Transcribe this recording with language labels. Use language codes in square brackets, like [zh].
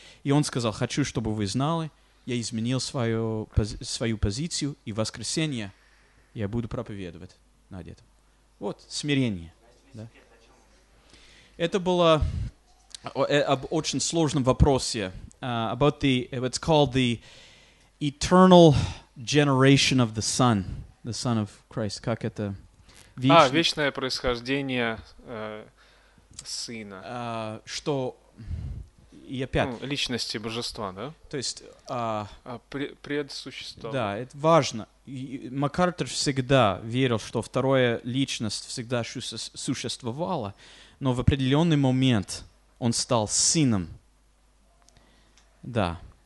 [ru] И он сказал: хочу, чтобы вы знали, я изменил свою позицию, и в воскресенье я буду проповедовать над этим. Вот, смирение. Да. Это было об очень сложном вопросе. [en] About the, it's called the eternal generation of the Son of Christ. [ru] Как это? Вечное происхождение Сына. Что, и опять. Ну, личности Божества, да? То есть... предсущество. Да, это важно. МакАртур всегда верил, что вторая личность всегда существовала, но в определенный момент он стал сыном. Да.